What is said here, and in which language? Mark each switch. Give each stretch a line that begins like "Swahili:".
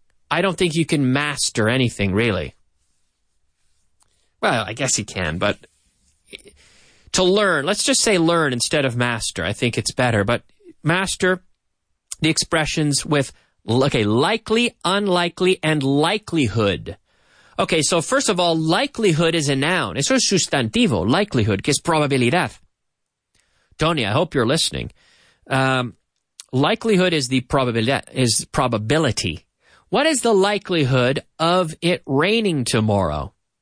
English: I don't think you can master anything, really. Well, I guess you can, but to learn, let's just say learn instead of master. I think it's better, but master the expressions with, okay, likely, unlikely, and likelihood. Okay, so first of all, likelihood is a noun.
Spanish: Eso es sustantivo, likelihood, que es probabilidad.
English: Tony, I hope you're listening. Likelihood is the probability. What is the likelihood of it raining tomorrow?